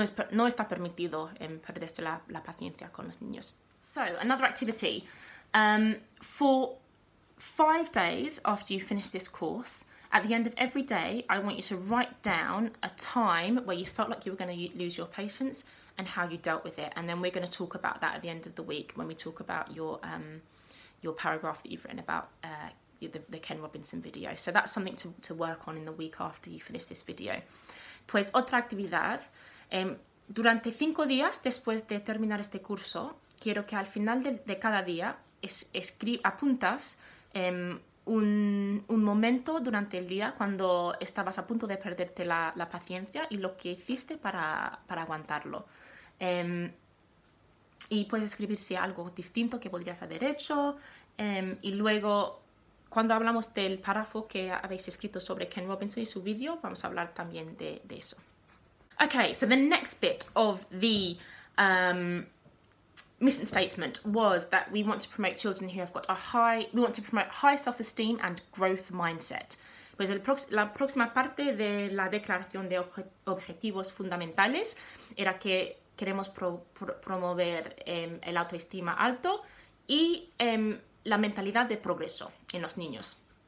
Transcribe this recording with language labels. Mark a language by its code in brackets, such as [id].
[es] no está permitido perderse la paciencia con los niños. [en] So, another activity. For 5 days after you finish this course, at the end of every day, I want you to write down a time where you felt like you were going to lose your patience and how you dealt with it. And then we're going to talk about that at the end of the week when we talk about your paragraph that you've written about the Ken Robinson video. So that's something to work on in the week after you finish this video. [es] Pues otra actividad. Durante 5 días después de terminar este curso, quiero que al final de cada día apuntas un momento durante el día cuando estabas a punto de perderte la paciencia y lo que hiciste para aguantarlo. Y puedes escribir si algo distinto que podrías haber hecho. Y luego, cuando hablamos del párrafo que habéis escrito sobre Ken Robinson y su vídeo, vamos a hablar también de eso. [en] Okay, so the next bit of the mission statement was that we want to promote children who have got we want to promote high self-esteem and growth mindset. [es] Pues la próxima parte de la declaración de objetivos fundamentales era que queremos promover el autoestima alto y la mentalidad de progreso en los niños.